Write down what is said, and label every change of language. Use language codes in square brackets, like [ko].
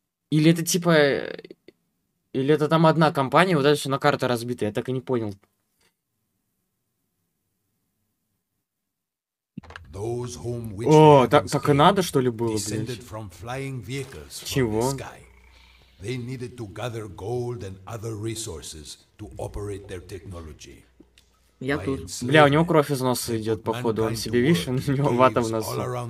[ru] Или это типа... Или это там одна компания, вот это все на карты разбиты, я так и не понял. О, так и надо, что ли, было, блядь? Чего? [en] They needed to gather gold and other resources to operate their technology. [ru] Я тут. Бля, у него кровь из носа идет, походу. Он себе, видишь, у него вата в носу.